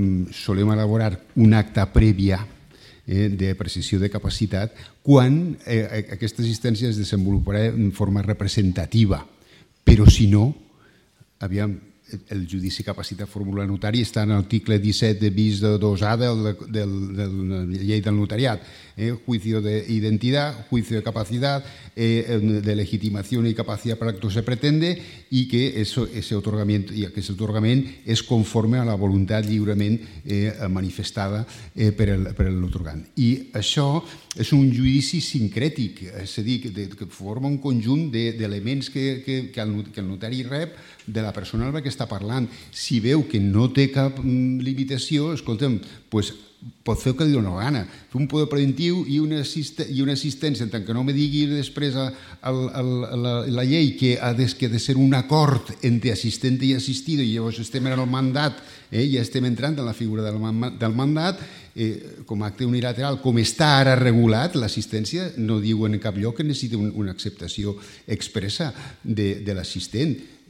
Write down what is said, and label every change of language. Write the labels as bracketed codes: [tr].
[ca] solem elaborar un acte prèvia de precisió de capacitat quan aquesta assistència es desenvoluparà en forma representativa, però si no, aviam, el judici de capacitat formular notari està en l'article 17 de bis 2A de la llei del notariat. [es] Juicio de identidad, juicio de capacidad, de legitimación y capacidad para acto se pretende y que ese otorgamiento es conforme a la voluntad [ca] lliurement manifestada per el otorgant. I això és un judici sincrètic, és a dir, que forma un conjunt d'elements que el notari rep de la persona que està parlant. Si veu que no té cap limitació, escolta'm, pues, pot fer el que li dona gana. Fer un poder preventiu i una assistència, en tant que no me digui després la llei que ha de ser un acord entre assistent i assistido, i llavors estem en el mandat, ja estem entrant en la figura del mandat, com a acte unilateral, com està ara regulat l'assistència, no diu en cap lloc que necessita una acceptació expressa de l'assistent.